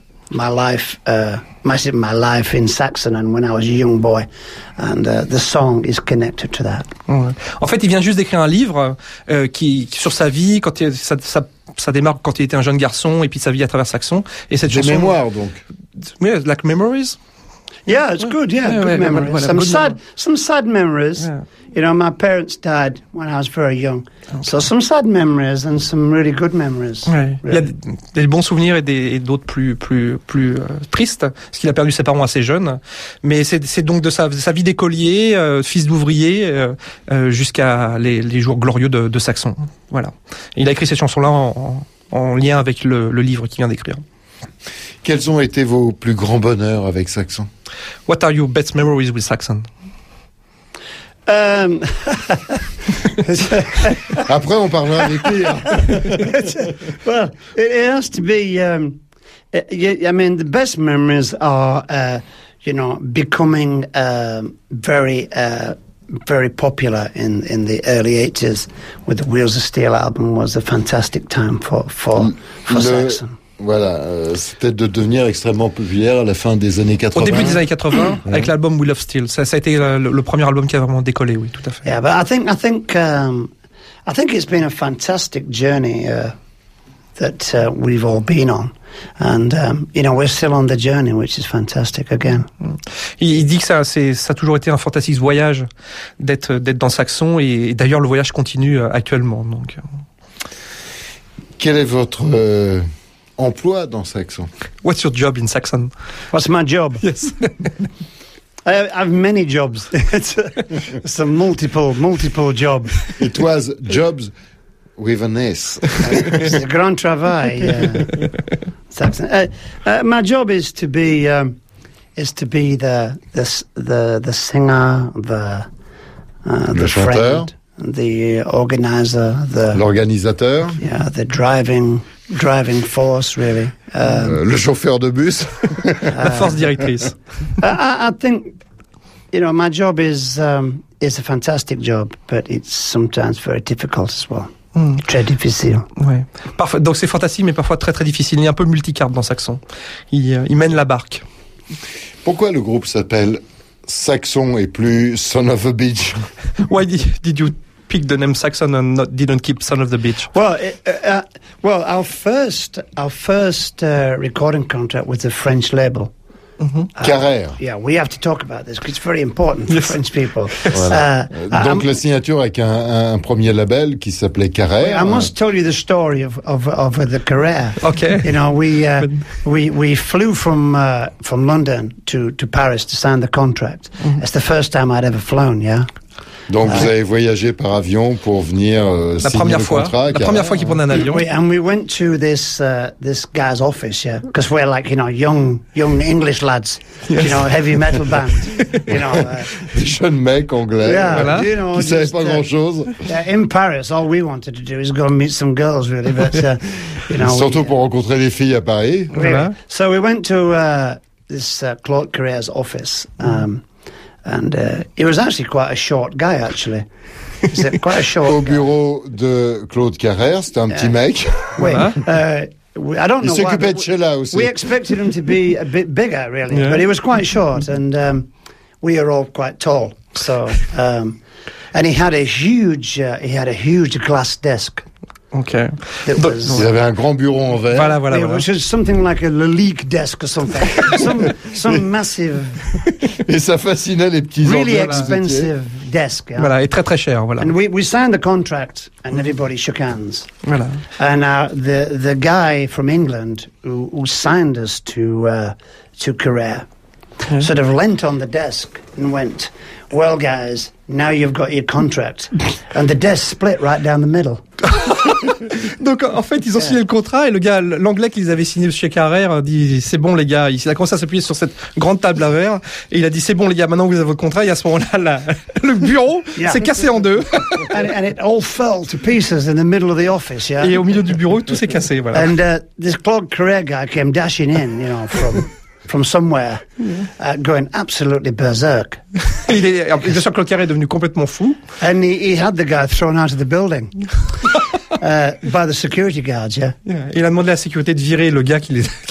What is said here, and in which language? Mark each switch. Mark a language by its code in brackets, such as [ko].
[en] my life, my life in Saxenland when I was a young boy, and the song is connected to that. [fr] Ouais. En fait, il vient juste d'écrire un livre qui sur sa vie quand il, ça démarre quand il était un jeune garçon et puis sa vie à travers Saxon et cette chanson. Des mémoires donc. [en] Yeah, like memories. Yeah, it's good. Yeah, yeah good yeah, memories. Yeah, some good sad, memory. Some sad memories. Yeah. You know, my parents died when I was very young. Okay. So some sad memories and some really good memories. [fr] Ouais. [en] Really. [fr] Il y a des bons souvenirs et d'autres plus tristes, parce qu'il a perdu ses parents assez jeune. Mais c'est donc de sa vie d'écolier, fils d'ouvrier, jusqu'à les jours glorieux de Saxon. Voilà. Et il a écrit cette chanson-là en lien avec le livre qu'il vient d'écrire. Quels ont été vos plus grands bonheurs avec Saxon? [en] What are your best memories with Saxon? [fr] Après, on parlera des pires. [en] Well, it has to be. I mean, the best memories are, you know, becoming very, very popular in the early 80s with the Wheels of Steel album was a fantastic time for Saxon. [fr] Voilà, c'était de devenir extrêmement populaire à la fin des années 80. Au début des années 80, avec l'album Wheel of Steel, ça a été le premier album qui a vraiment décollé, oui, tout à fait. [en] Yeah, but I think it's been a fantastic journey that we've all been on, and you know we're still on the journey, which is fantastic again. [fr] Il dit que ça a toujours été un fantastique voyage d'être dans Saxon, et d'ailleurs le voyage continue actuellement. Donc, quel est votre emploi dans Saxon? [en] What's your job in Saxon? What's my job? Yes. I have many jobs. It's a multiple job. It was jobs with an S. It's a [fr] grand travail, [en] yeah. Saxon. My job is to be the singer, the [fr] chanteur, [en] friend, the organizer, [fr] l'organisateur. [en] Yeah, the driving force, really. [fr] Le chauffeur de bus. La force directrice. [en] I think, you know, my job is a fantastic job, but it's sometimes very difficult as well. [fr] Très difficile. Ouais. Parfois, donc c'est fantastique, mais parfois très très difficile. Il est un peu multicarte dans Saxon. Il mène la barque. Pourquoi le groupe s'appelle Saxon et plus Son of a Beach? [en] Why did you pick the name Saxon and not didn't keep Son of the Beach? Well, our first recording contract with the French label, mm-hmm. Carrère. Yeah, we have to talk about this because it's very important for French people. [fr] Voilà. Donc la signature avec un premier label qui s'appelait Carrère. [en] I must tell you the story of the Carrère. Okay. You know, we flew from London to Paris to sign the contract. Mm-hmm. It's the first time I'd ever flown. Yeah. [fr] Donc vous avez voyagé par avion pour venir signer le contrat. La première fois qu'il prend un avion. Oui, [en] and we went to this this guy's office, yeah, because we're like, you know, young English lads, yes. You know, heavy metal band, you know. [fr] Des jeunes mecs anglais, [en] yeah, [fr] voilà, [en] you know, [fr] qui savaient pas grand chose. [en] Yeah, in Paris, all we wanted to do is go meet some girls, really, but you know. [fr] Surtout [en] we, [fr] pour rencontrer des filles à Paris. [en] Really. [fr] Voilà. [en] So we went to this Claude Carrère's office. And he was actually quite a short guy, actually. He was quite a short [fr] au bureau de Claude Carrère, c'était un petit mec. Oui. [en] I don't [fr] il [en] know [fr] s'occupait [en] why, [fr] de Sheila aussi. [en] We expected him to be a bit bigger, really. Yeah. But he was quite short, and we are all quite tall. So, and he had a huge glass desk. Okay. [fr] Il avait un grand bureau en verre. Voilà. [en] It was something like a leak desk or something. some massive. [fr] Et ça fascinait les petits [en] really expensive là. Desk. Yeah. [fr] Voilà, et très très cher, voilà. [en] And we signed the contract and everybody shook hands. [fr] Voilà. [en] And the guy from England who signed us to Carrère, mm-hmm. sort of leant on the desk and went, "Well, guys, now you've got your contract." And the desk split right down the middle. [fr] Donc en fait ils ont signé le contrat et le gars, l'anglais qui les avait signé chez Carrère dit c'est bon les gars, il a commencé à s'appuyer sur cette grande table à verre et il a dit c'est bon les gars, maintenant vous avez votre contrat, et à ce moment-là le bureau s'est cassé en deux. [en] And it all fell to pieces in the middle of the office, yeah. [fr] Et au milieu du bureau tout s'est cassé, voilà. [en] And this Claude Carrère guy came dashing in, you know, from somewhere, yeah. Going absolutely berserk. [fr] Il est, bien sûr, Claude Carrère est devenu complètement fou. [en] And he had the guy thrown out of the building. by the security guards, yeah. [fr] Il a demandé à la sécurité de virer le gars qui les